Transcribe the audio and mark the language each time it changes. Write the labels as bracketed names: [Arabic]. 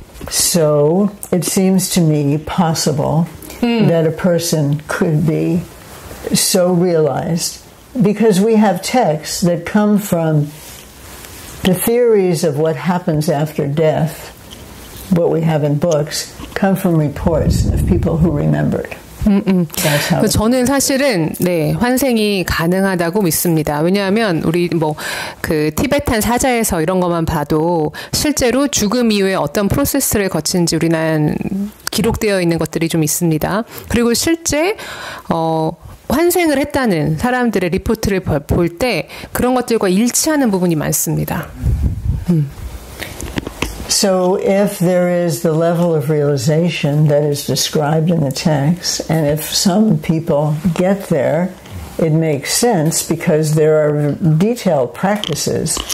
[English] So it seems to me possible that a person could be so realized, because we have texts that come from the theories of what happens after death, what we have in books, come from reports of people who remembered. [Korean] 저는 사실은 네 환생이 가능하다고 믿습니다. 왜냐하면 우리 뭐 그 티베트엔 사자에서 이런 것만 봐도 실제로 죽음 이후에 어떤 프로세스를 거친지 우리는 기록되어 있는 것들이 좀 있습니다. 그리고 실제 환생을 했다는 사람들의 리포트를 볼 때 그런 것들과 일치하는 부분이 많습니다. [English] So if there is the level of realization that is described in the text, and if some people get there, it makes sense because there are detailed practices.